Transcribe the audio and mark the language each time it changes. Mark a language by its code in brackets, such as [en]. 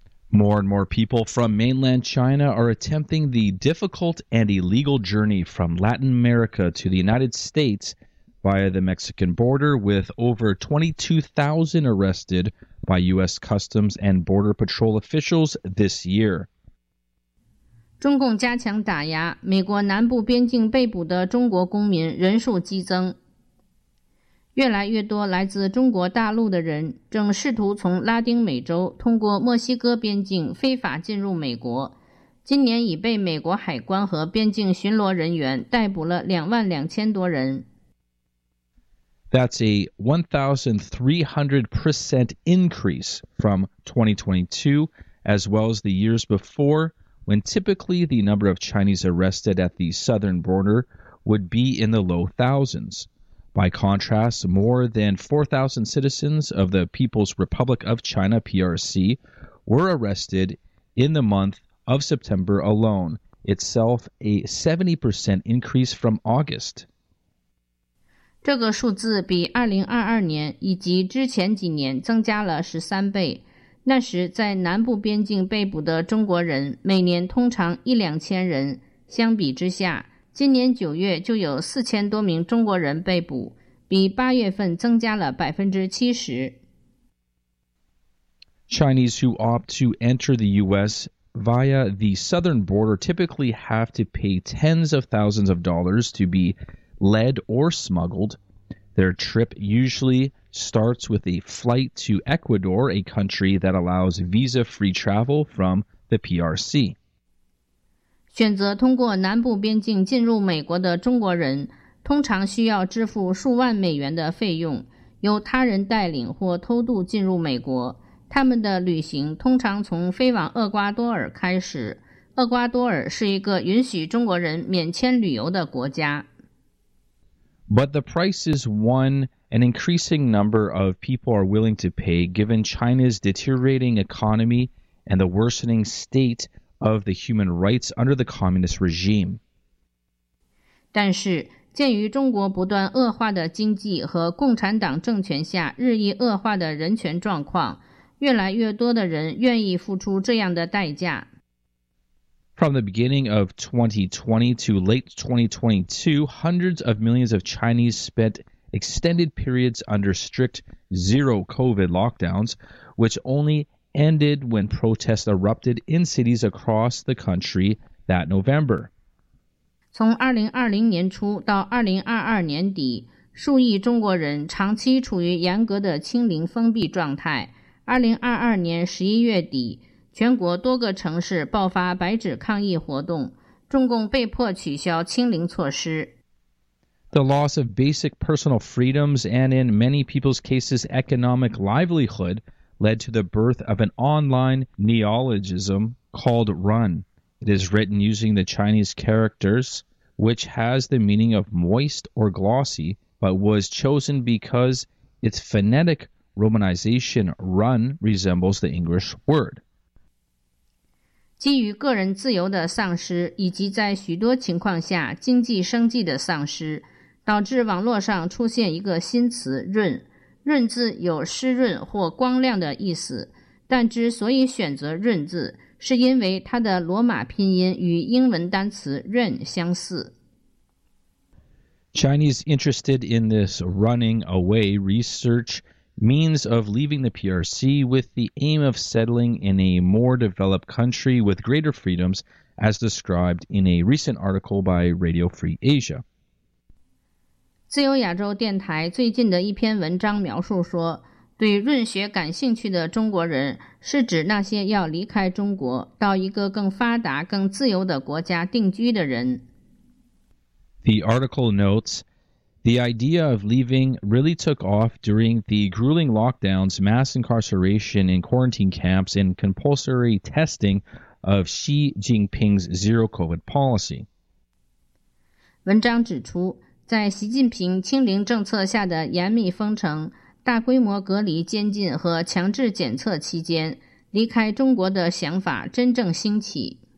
[en] More and more people from mainland China are attempting the difficult and illegal journey from Latin America to the United States via the Mexican border, with over 22,000 arrested by U.S. Customs and Border Patrol officials this year. [zh] 中共加强打压，美国南部边境被捕的中国公民人数激增。越来越多来自中国大陆的人正试图从拉丁美洲通过墨西哥边境非法进入美国。今年已被美国海关和边境巡逻人员逮捕了22,000多人。 [en] That's a 1,300% increase from 2022, as well as the years before, when typically the number of Chinese arrested at the southern border would be in the low thousands. By contrast, more than 4,000 citizens of the People's Republic of China, PRC, were arrested in the month of September alone, itself a 70% increase from August. [zh] 这个数字比2022年以及之前几年增加了13倍。那时在南部边境被捕的中国人每年通常一两千人，相比之下今年九月就有4,000多名中国人被捕，比八月份增加了70%。 [en] Chinese who opt to enter the U.S. via the southern border typically have to pay tens of thousands of dollars to be led or smuggled. Their trip usually starts with a flight to Ecuador, a country that allows visa-free travel from the PRC. [zh] 选择通过南部边境进入美国的中国人通常需要支付数万美元的费用，由他人带领或偷渡进入美国。他们的旅行通常从飞往厄瓜多尔开始。厄瓜多尔是一个允许中国人免签旅游的国家。 [en] But the price is one an increasing number of people are willing to pay given China's deteriorating economy and the worsening state of the human rights under the communist regime. [zh] 但是，鉴于中国不断恶化的经济和共产党政权下日益恶化的人权状况，越来越多的人愿意付出这样的代价。 [en] From the beginning of 2020 to late 2022, hundreds of millions of Chinese spent extended periods under strict zero COVID lockdowns, which only ended when protests erupted in cities across the country that November. [zh] 从2020年初到2022年底，数亿中国人长期处于严格的清零封闭状态。 2022年11月底，全国多个城市爆发白纸抗议活动，中共被迫取消清零措施。 [en] The loss of basic personal freedoms and in many people's cases economic livelihood,led to the birth of an online neologism called Run. It is written using the Chinese characters, which has the meaning of moist or glossy, but was chosen because its phonetic romanization Run resembles the English word. [zh] 基于个人自由的丧失，以及在许多情况下经济生计的丧失，导致网络上出现一个新词 Run。润字有湿润或光亮的意思，但之所以选择润字，是因为它的罗马拼音与英文单词 run 相似。 [en] Chinese interested in this running away research means of leaving the PRC with the aim of settling in a more developed country with greater freedoms, as described in a recent article by Radio Free Asia. [zh] 自由亚洲电台最近的一篇文章描述说，对润学感兴趣的中国人是指那些要离开中国到一个更发达更自由的国家定居的人。 [en] The article notes, the idea of leaving really took off during the grueling lockdowns, mass incarceration in quarantine camps and compulsory testing of Xi Jinping's zero COVID policy. [zh] 文章指出，在习近平清零政策下的严密封城、大规模隔离监禁和强制检测期间，离开中国的想法真正兴起。